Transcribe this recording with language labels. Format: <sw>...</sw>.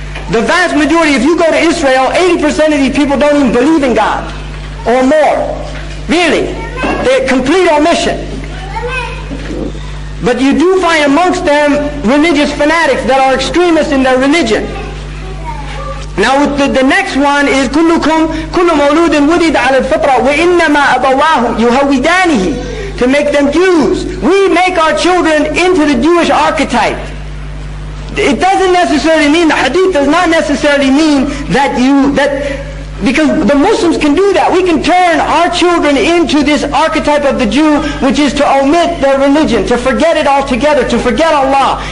<en>The vast majority, if you go to Israel, 80% of these people don't even believe in God, or more. Really. They're complete omission. But you do find amongst them religious fanatics that are extremists in their religion. Now the next one is</en> <ar>كُلُّكُمْ كُلُّ مَوْلُودٍ وُلِدَ عَلَى الْفِطْرَةِ وَإِنَّمَا أَبَوَاهُ يُهَوِّدَانِهِ</ar> <en>to make them Jews. We make our children into the Jewish archetype. It doesn't necessarily mean, the hadith does not necessarily mean that because the Muslims can do that. We can turn our children into this archetype of the Jew, which is to omit their religion, to forget it altogether, to forget Allah.</en>